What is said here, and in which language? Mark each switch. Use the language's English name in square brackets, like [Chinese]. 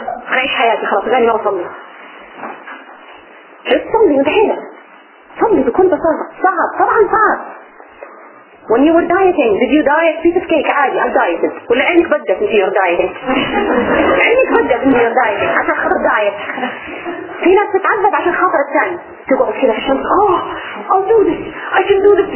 [Arabic] عيش حياتي خلاص, غني ما أصلي. Just صلي ودحينا. صلي بكل بساطة. صعب, طبعا صعب. [English] When you were dieting, did you diet piece of cake? [Arabic] عادي, [English] I dieted. [Arabic] ولا عينك بدت أنت [English] you're dieting. [Arabic] عينك بدت أنت you're dieting. عشان خاطر الدايت. في ناس تتعذب عشان خاطر الثاني, تقعد كده عشان [English] I'll do this, I can do this.